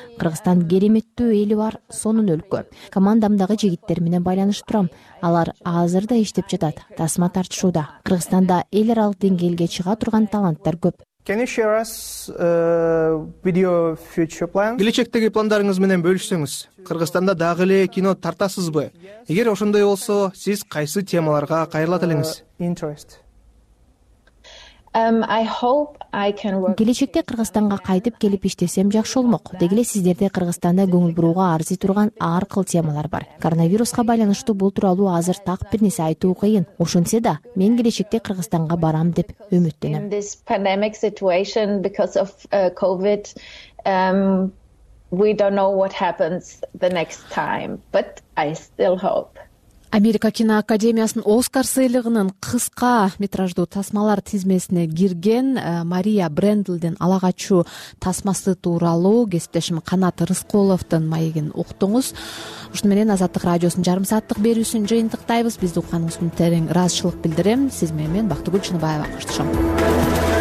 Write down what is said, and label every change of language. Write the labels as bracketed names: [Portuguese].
[Kyrgyz] Кыргызстан кереметтүү эли бар, сонун өлкө. Командамдагы жигиттер менен байланышып турам. Алар азыр да иштеп жатат, тасма тартышууда. Кыргызстанда эл аралык деңгээлге чыга турган таланттар көп. [English] Can you share us with your future plans? [Kyrgyz] Келечектеги пландарыңыз менен бөлүшсөңүз, Кыргызстанда дагы эле кино тартасызбы? Эгер ошондой болсо, сиз кайсы темаларга кайрыла элеңиз? [English] Interest. I hope I can work. [Kyrgyz] Келечекте Кыргызстанга кайтып келип иштесем жакшы болмок. Деги эле сиздерде Кыргызстанда көңүл бурууга арзы турган ар кыл темалар бар. Коронавируска байланыштуу бул тууралуу азыр так бир нерсе айтуу кыйын. Ошентсе да, мен келечекте Кыргызстанга барам деп үмүттөнөм. [English] In this pandemic situation because of COVID, we don't know what happens the next time, but I still hope. [Kyrgyz] Америка киноакадемиясынын Оскар сыйлыгынын кыска метраждуу тасмалар тизмесине кирген Мария Брендлдин ала качуу тасмасы тууралуу кесиптешим Канат Рыскуловдун маегин уктуңуз. Ушуну менен Азаттык радиосунун жарым сааттык берүүсүн жыйынтыктайбыз. Бизди укканыңыз үчүн терең ыраазычылык билдирем. Сиз менен мен Бактыгүл Чыныбаева коштошом.